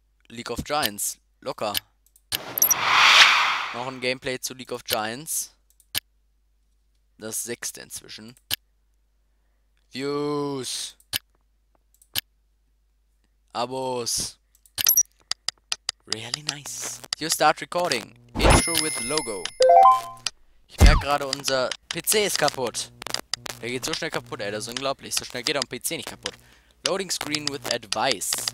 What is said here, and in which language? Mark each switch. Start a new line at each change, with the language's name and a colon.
German: League of Giants, locker. Noch ein Gameplay zu League of Giants. Das sechste inzwischen.
English: Views. Abos. Really nice. You start recording. Intro with logo.
German: Ich merke gerade, unser PC ist kaputt. Der geht so schnell kaputt, ey. Das ist unglaublich. So schnell geht auch ein PC nicht kaputt.
English: Loading screen with advice.